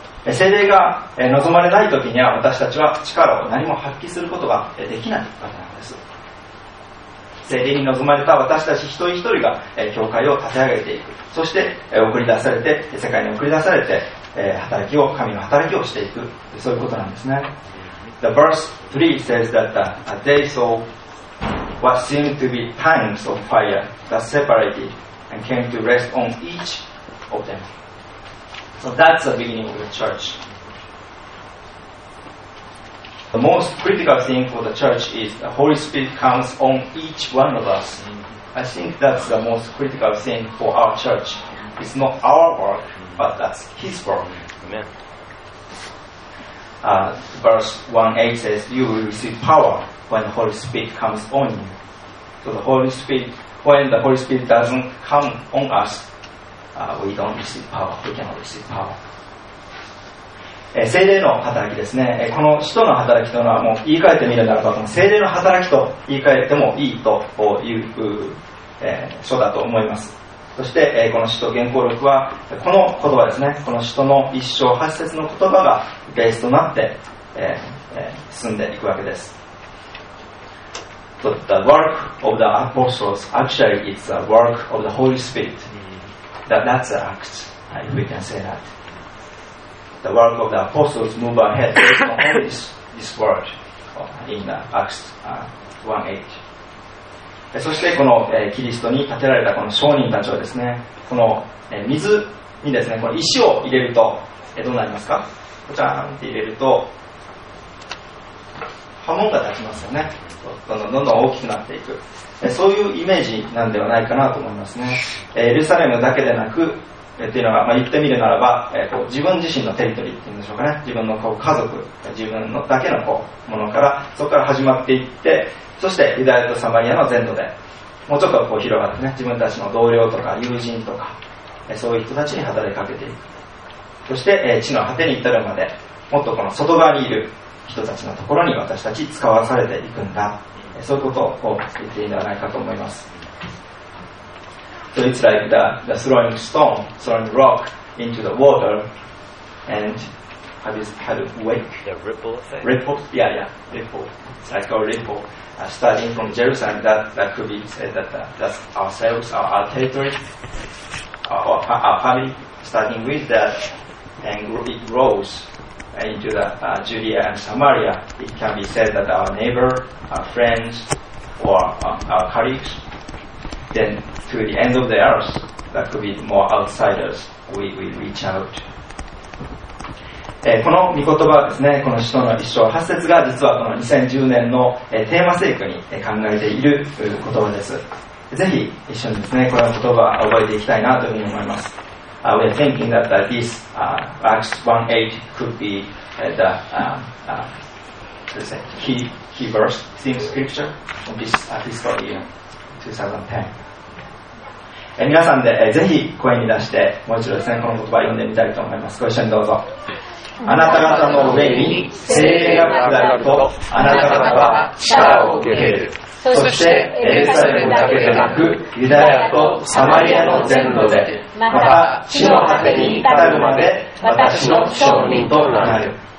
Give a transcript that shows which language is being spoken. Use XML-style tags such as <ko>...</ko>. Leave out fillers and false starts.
<ja>聖霊が望まれない時には私たちは力を何も発揮することができないわけなんです。聖霊に望まれた私たち一人一人が教会を立て上げていく、そして送り出されて世界に送り出されて働きを神の働きをしていく、そういうことなんですね。</ja> <en>The verse 3 says that they saw what seemed to be tongues of fire that separated and came to rest on each of them. So that's the beginning of the church. The most critical thing for the church is the Holy Spirit comes on each one of us. I think that's the most critical thing for our church. It's not our work, but that's His work. Amen. Verse 1:8 says, you will receive power when the Holy Spirit comes on you. So the Holy Spirit, when the Holy Spirit doesn't come on us, we don't receive power. We cannot receive power.</en> <ja>聖霊の働きですね。この使徒の働きというのはもう言い換えてみるならば、この聖霊の働きと言い換えてもいいという書だと思います。そしてこの使徒原稿録はこの言葉ですね。この使徒の一章八節の言葉がベースとなって進んでいくわけです。</ja> <en>But the work of the apostles actually is the work of the Holy Spirit. That's the act, if we can say that. The work of the apostles move ahead based on only this word in Acts 1:8.</en> <ja>そしてこのキリストに建てられたこの商人たちはですね、この水にですね、この石を入れるとどうなりますか？こちらって入れると波紋が立ちますよね。どんどんどんどん大きくなっていく、そういうイメージなんではないかなと思いますね。エルサレムだけでなくっていうのが、まあ、言ってみるならば、こう自分自身のテリトリーっていうんでしょうかね、自分のこう家族、自分のだけのこうものからそこから始まっていって、そしてユダヤとサマリアの全土でもうちょっとこう広がってね、自分たちの同僚とか友人とか、そういう人たちに働きかけていく、そして、地の果てに至るまでもっとこの外側にいる人たちのところに私たち使わされていくんだ、そういうことを言っているのではないかと思います。</ja> <en>So it's like the throwing stone, throwing rock into the water and have a wake. The ripple effect. Ripple. It's like a ripple. Starting from Jerusalem, that could be said that that's ourselves, our territory, our family, starting with that and it grows. Into the Judea and Samaria, it can be said that our neighbor, our friends, or our colleagues, then to the end of the earth, that could be more outsiders, we reach out.</en> <ja>この御言葉はですね、この使徒の一章八節が実はこの2010年のテーマ聖句に考えている言葉です。ぜひ一緒にですね、この言葉を覚えていきたいなというふうに思います。</ja> <en>We are thinking that this Acts 1:8 could be the key verse, theme scripture of this fiscal year 2010.</en> <ja>皆さんで、ぜひ声に出してもう一度ですね、この言葉を読んでみたいと思います。ご一緒にどうぞ。あなた方の上に聖霊が下るとあなた方は力を受ける、そしてエルサレムだけでなくユダヤとサマリアの全土で、また地の果てに至るまで私の証人となる。</ja>